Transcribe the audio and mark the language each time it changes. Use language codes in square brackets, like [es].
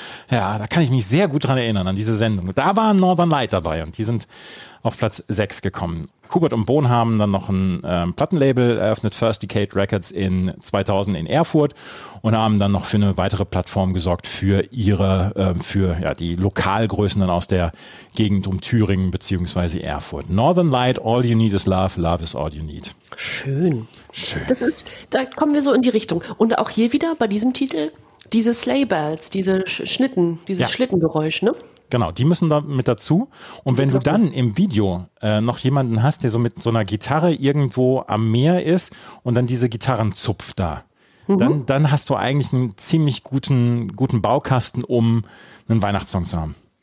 [de] Ja, da kann ich mich sehr gut dran erinnern, an diese Sendung. Da war Northern Light dabei und die sind auf Platz 6 gekommen. Kubert und Bohn haben dann noch ein Plattenlabel eröffnet, First Decade Records in 2000 in Erfurt, und haben dann noch für eine weitere Plattform gesorgt für die Lokalgrößen dann aus der Gegend um Thüringen bzw. Erfurt. [en] Northern Light, all you need is love, love is all you need. [de] Schön. Schön. Da kommen wir so in die Richtung. Und auch hier wieder bei diesem Titel, diese Sleigh Bells, diese Schnitten, dieses Schlittengeräusch, ne? Genau, die müssen da mit dazu. Und wenn du dann im Video noch jemanden hast, der so mit so einer Gitarre irgendwo am Meer ist und dann diese Gitarren zupft da, dann hast du eigentlich einen ziemlich guten Baukasten, um einen Weihnachtssong zu haben.